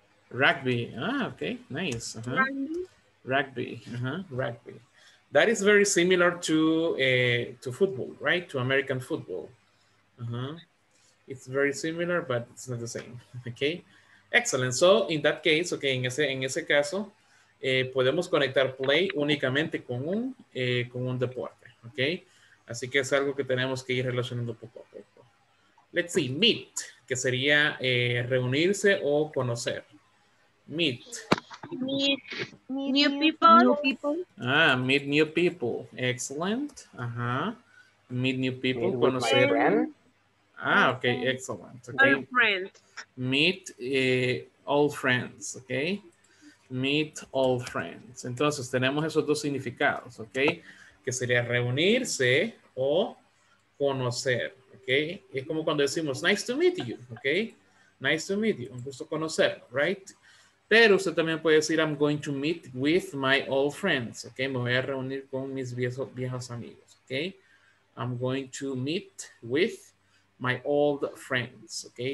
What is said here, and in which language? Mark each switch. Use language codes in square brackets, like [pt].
[en] Rugby. Ah, okay. Nice. Uh-huh. Rugby. Uh-huh. Rugby. That is very similar to football, right? To American football. Uh-huh. It's very similar, but it's not the same. Okay. Excellent. So in that case, okay, [es] en ese caso. Podemos conectar play únicamente con un deporte, ¿ok? Así que es algo que tenemos que ir relacionando poco a poco. [en] Let's see, [es] meet, que sería reunirse o conocer. Meet. [en] Meet new people. Ah, meet new people. Excellent. Ajá. Meet new people. Meet conocer. Ah, ok, excellent. Okay. All friends. Meet all friends, ¿ok? Meet all friends. [es] Entonces tenemos esos dos significados, ¿ok? Que sería reunirse o conocer, ¿ok? Es como cuando decimos [en] nice to meet you, [es] ¿ok? [en] Nice to meet you, [es] un gusto conocer, [en] right? [es] Pero usted también puede decir [en] I'm going to meet with my old friends, [es] ¿ok? Me voy a reunir con mis viejos amigos, ¿ok? [en] I'm going to meet with my old friends, ¿ok?